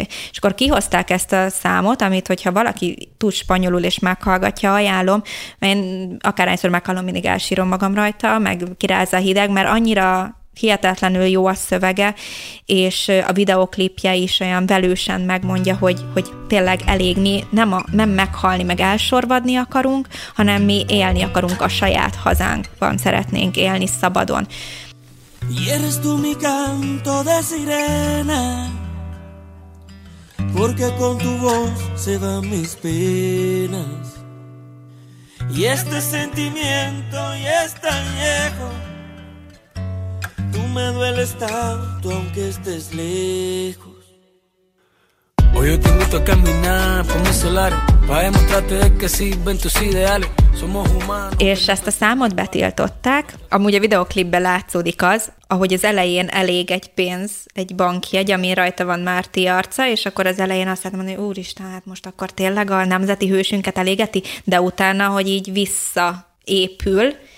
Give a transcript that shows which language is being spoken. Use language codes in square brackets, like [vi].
[hu] És akkor kihozták ezt a számot, amit, hogyha valaki tud spanyolul és meghallgatja, ajánlom, mert én akárhányszor meghallom, mindig elsírom magam rajta, meg kirázza a hideg, mert annyira hihetetlenül jó a szövege, és a videoklipje is olyan velősen megmondja, hogy tényleg elég mi nem meghalni, meg elsorvadni akarunk, hanem mi élni akarunk a saját hazánkban, szeretnénk élni szabadon. [es] Y eres tú mi canto de sirena, porque con tu voz se van mis penas. Y este sentimiento ya es tan viejo, tú me dueles tanto aunque estés lejos. Hoy yo te invito a caminar por mis solares, para demostrarte que sirven tus ideales. [hu] És ezt a számot betiltották. Amúgy a videoklipben látszódik az, ahogy az elején elég egy pénz, egy bankjegy, ami rajta van Martí arca, és akkor az elején azt lehet mondani, hogy úristen, hát most akkor tényleg a nemzeti hősünket elégeti, de utána, hogy így visszaépül.